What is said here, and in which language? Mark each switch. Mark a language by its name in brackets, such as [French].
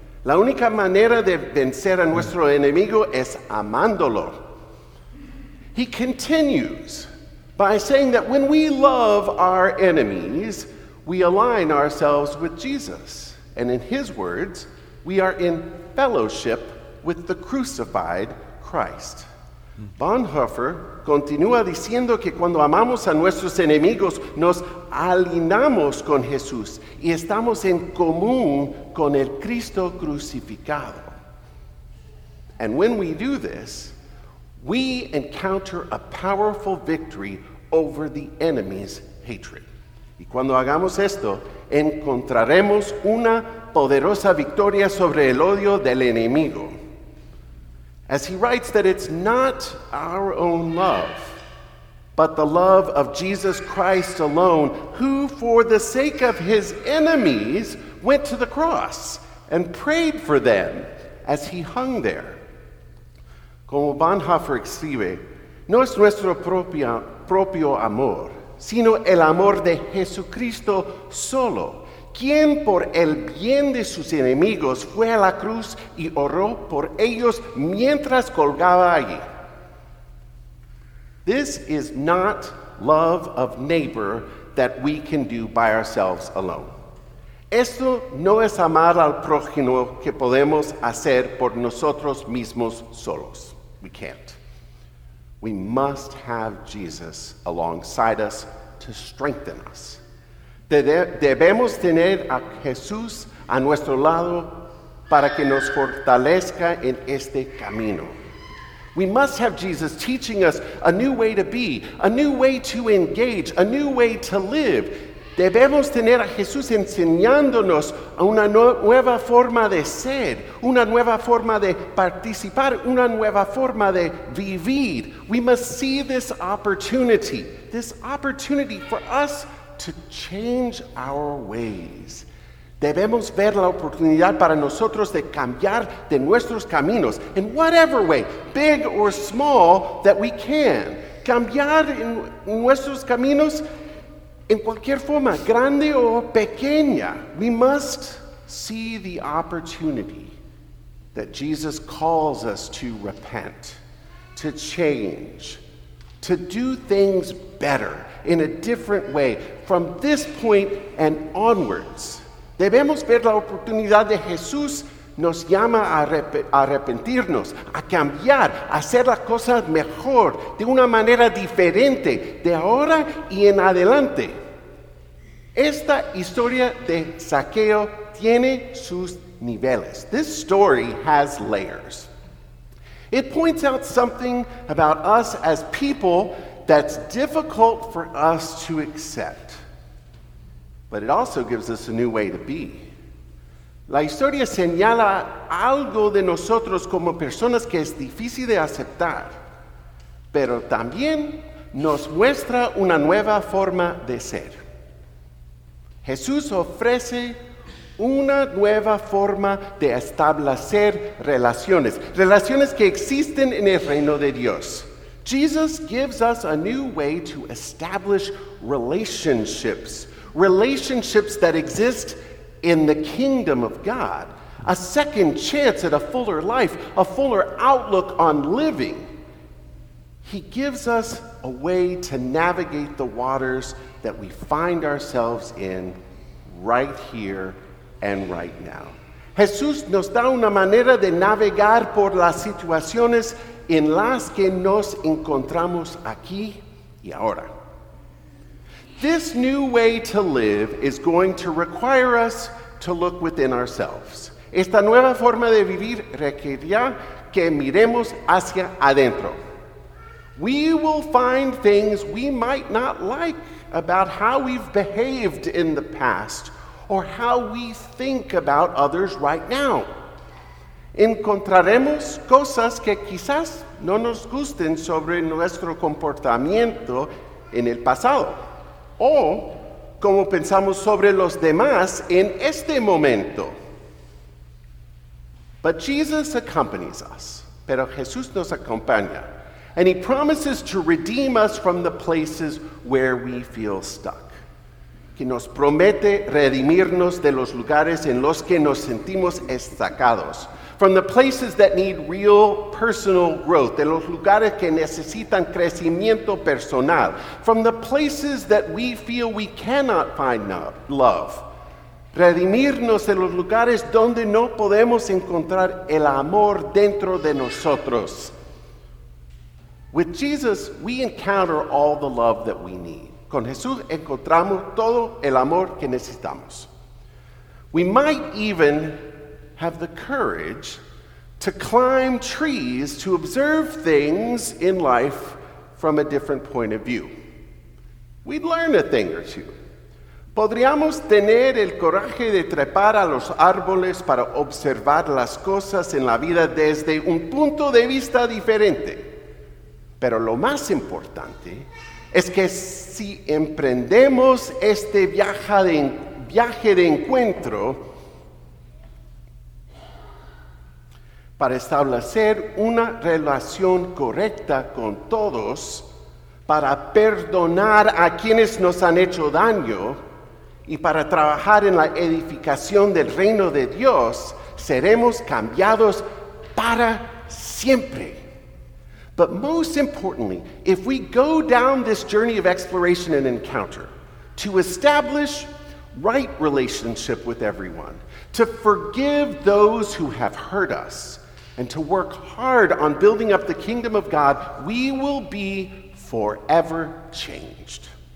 [Spanish] La única manera de vencer a nuestro enemigo es amándolo. [English] He continues by saying that when we love our enemies, we align ourselves with Jesus. And in his words, we are in fellowship with the crucified Christ. [Spanish] Bonhoeffer continúa diciendo que cuando amamos a nuestros enemigos, nos alineamos con Jesús y estamos en común con el Cristo crucificado. [English] And when we do this, we encounter a powerful victory over the enemy's hatred. [Spanish] Y cuando hagamos esto, encontraremos una poderosa victoria sobre el odio del enemigo. [English] As he writes that it's not our own love, but the love of Jesus Christ alone, who for the sake of his enemies went to the cross and prayed for them as he hung there. [Spanish] Como Bonhoeffer escribe, no es nuestro propio amor, sino el amor de Jesucristo solo, quien por el bien de sus enemigos fue a la cruz y oró por ellos mientras colgaba allí. [English] This is not love of neighbor that we can do by ourselves alone. [Spanish] Esto no es amar al prójimo que podemos hacer por nosotros mismos solos. [English] We can't. We must have Jesus alongside us to strengthen us. [Spanish] Debemos tener a Jesús a nuestro lado para que nos fortalezca en este camino. [English] We must have Jesus teaching us a new way to be, a new way to engage, a new way to live. [Spanish] Debemos tener a Jesús enseñándonos una nueva forma de ser, una nueva forma de participar, una nueva forma de vivir. [English] We must see this opportunity for us to change our ways. [Spanish] Debemos ver la oportunidad para nosotros de cambiar de nuestros caminos [English] in whatever way, big or small, that we can. [Spanish] Cambiar en nuestros caminos en cualquier forma, grande o pequeña. [English] We must see the opportunity that Jesus calls us to repent, to change, to do things better in a different way from this point and onwards. [Spanish] Debemos ver la oportunidad de Jesús nos llama a arrepentirnos, a cambiar, a hacer las cosas mejor, de una manera diferente, de ahora y en adelante. Esta historia de Zaqueo tiene sus niveles. [English] This story has layers. It points out something about us as people that's difficult for us to accept. But it also gives us a new way to be. [Spanish] La historia señala algo de nosotros como personas que es difícil de aceptar, pero también nos muestra una nueva forma de ser. Jesús ofrece una nueva forma de establecer relaciones, relaciones que existen en el reino de Dios. [English] Jesus gives us a new way to establish relationships. Relationships that exist in the kingdom of God. A second chance at a fuller life, a fuller outlook on living. He gives us a way to navigate the waters that we find ourselves in right here and right now. [Spanish] Jesús nos da una manera de navegar por las situaciones en las que nos encontramos aquí y ahora. [English] This new way to live is going to require us to look within ourselves. [Spanish] Esta nueva forma de vivir requerirá que miremos hacia adentro. [English] We will find things we might not like about how we've behaved in the past or how we think about others right now. [Spanish] Encontraremos cosas que quizás no nos gusten sobre nuestro comportamiento en el pasado. O, como pensamos sobre los demás en este momento. [English] But Jesus accompanies us. [Spanish] Pero Jesús nos acompaña. [English] And he promises to redeem us from the places where we feel stuck. [Spanish] Que nos promete redimirnos de los lugares en los que nos sentimos estancados. [English] From the places that need real personal growth, [Spanish] de los lugares que necesitan crecimiento personal, [English] from the places that we feel we cannot find love, [Spanish] redimirnos de los lugares donde no podemos encontrar el amor dentro de nosotros. [English] With Jesus, we encounter all the love that we need. [Spanish] Con Jesús encontramos todo el amor que necesitamos. [English] We might even have the courage to climb trees to observe things in life from a different point of view. We'd learn a thing or two. [Spanish] Podríamos tener el coraje de trepar a los árboles para observar las cosas en la vida desde un punto de vista diferente. Pero lo más importante es que si emprendemos este viaje de encuentro para establecer una relación correcta con todos, para perdonar a quienes nos han hecho daño y para trabajar en la edificación del reino de Dios, seremos cambiados para siempre. [English] But most importantly, if we go down this journey of exploration and encounter to establish right relationship with everyone, to forgive those who have hurt us, and to work hard on building up the kingdom of God, we will be forever changed.